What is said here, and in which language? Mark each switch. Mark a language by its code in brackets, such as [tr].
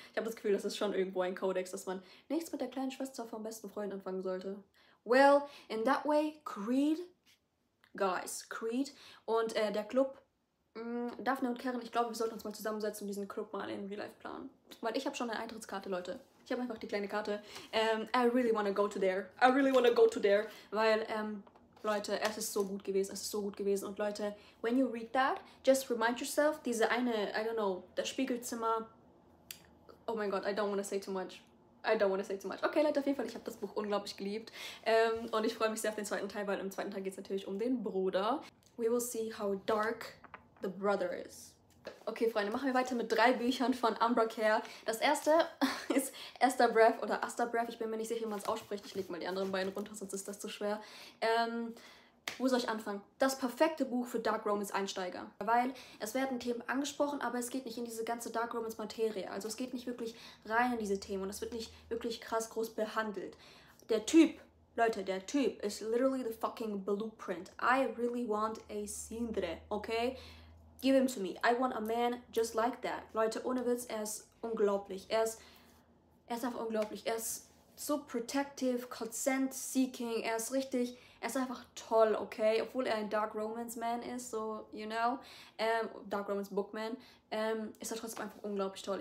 [de] Ich habe das Gefühl, das ist schon irgendwo ein Kodex, dass man nichts mit der kleinen Schwester vom besten Freund anfangen sollte. [en] Well, in that way, [de] Creed, guys, Creed und der Club, Daphne und Karen, ich glaube, wir sollten uns mal zusammensetzen und diesen Club mal in Real Life planen. Weil ich habe schon eine Eintrittskarte, Leute. Ich habe einfach die kleine Karte. [en] I really wanna go to there. I really wanna go to there. [de] Weil, Leute, es ist so gut gewesen. Es ist so gut gewesen. Und Leute, [en] when you read that, just remind yourself, [de] diese eine, [en] I don't know, [de] das Spiegelzimmer. Oh mein Gott, [en] I don't wanna say too much. I don't wanna say too much. [de] Okay, Leute, auf jeden Fall, ich habe das Buch unglaublich geliebt. Und ich freue mich sehr auf den zweiten Teil, weil im zweiten Teil geht es natürlich um den Bruder. [en] We will see how dark the brother is. [de] Okay, Freunde, machen wir weiter mit drei Büchern von Umbra Care. Das erste ist Aster Breath oder Aster Breath. Ich bin mir nicht sicher, wie man es ausspricht. Ich lege mal die anderen beiden runter, sonst ist das zu schwer. Wo soll ich anfangen? Das perfekte Buch für Dark Romance Einsteiger. Weil es werden Themen angesprochen, aber es geht nicht in diese ganze Dark Romance Materie. Also es geht nicht wirklich rein in diese Themen und es wird nicht wirklich krass groß behandelt. Der Typ, Leute, der Typ ist [en] literally the fucking blueprint. I really want a Sindre, okay? Give him to me. I want a man just like that. [de] Leute, ohne Witz, er ist unglaublich. Er ist einfach unglaublich. Er ist so [en] protective, consent seeking. [de] Er ist richtig, er ist einfach toll, okay? Obwohl er ein Dark Romance Man ist, so, [en] you know, [de] Dark Romance Bookman, ist er trotzdem einfach unglaublich toll.